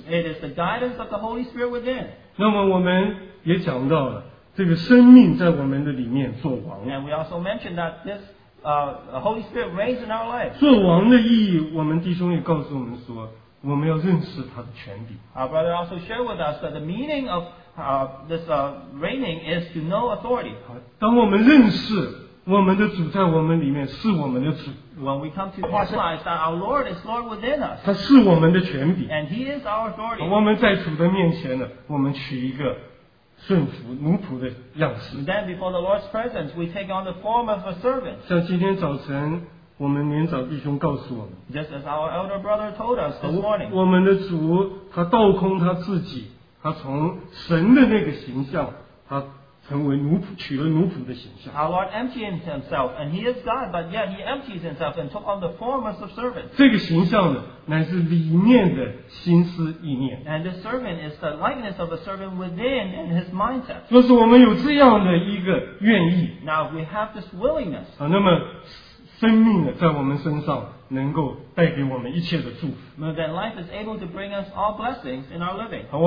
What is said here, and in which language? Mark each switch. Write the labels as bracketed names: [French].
[English] It is the guidance of the Holy Spirit within. [Chinese] 那么我们也讲到了, 这个生命在我们的里面做王。 [English] And we also mentioned that this Holy Spirit reigns in our life. [Chinese] 做王的意义, 我们弟兄也告诉我们说, 我们要认识他的权柄。 [English] Our brother also shared with us that the meaning of this reigning is to know authority. [Chinese] 当我们认识, 我们的主在我们里面是我们的主。 [English] When we come to realize that our Lord is Lord within us, [Chinese] 他是我们的权柄。 [English] And he is our authority. [Chinese] 我们在主的面前呢, 我们取一个顺服奴仆的样式。 [English] Then before the Lord's presence, we take on the form of a servant. [Chinese] 像今天早晨, 我们年长弟兄告诉我们, [English] just as our elder brother told us this morning, [Chinese] 我们的主, 他倒空他自己, 他从神的那个形象, 他成为奴仆, 取了奴仆的形象。 [English] Our Lord emptied himself, and he is God, but yet he empties himself and took on the form of servant. [Chinese] 这个形象呢, 乃是里面的心思意念。 [English] And the servant is the likeness of a servant within in his mindset. [Chinese] 若是我们有这样的一个愿意, [English] now we have this willingness, [Chinese] 啊, 那么, 生命在我们身上能够带给我们一切的祝福。 [English] Then life is able to bring us all blessings in our living.